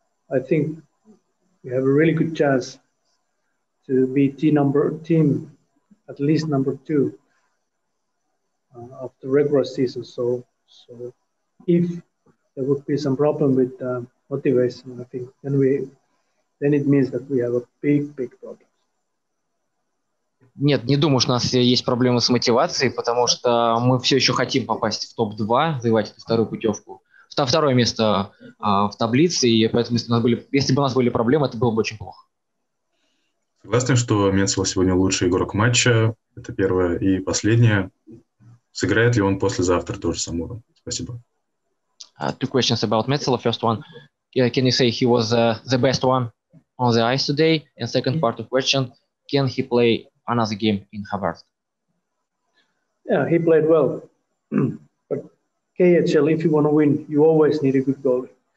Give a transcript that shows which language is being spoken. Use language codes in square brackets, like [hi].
[en] I think we have a really good chance to be team at least number two of the regular season. So if there would be some problem with motivation, I think then it means that we have a big problem. [ru] Нет, не думаю, что у нас есть проблемы с мотивацией, потому что мы все еще хотим попасть в топ-2, завоевать эту вторую путевку, второе место в таблице, и поэтому если бы у нас были проблемы, это было бы очень плохо. Согласны, что Менцел сегодня лучший игрок матча, это первое, и последнее. Сыграет ли он послезавтра тоже с Амуром? Спасибо. [en] Two questions about Menzel. First one, can you say he was the best one on the ice today? And second part of question, can he play another game in Hobart. Yeah, he played well. But KHL, if you want to win, you always need a good goalie.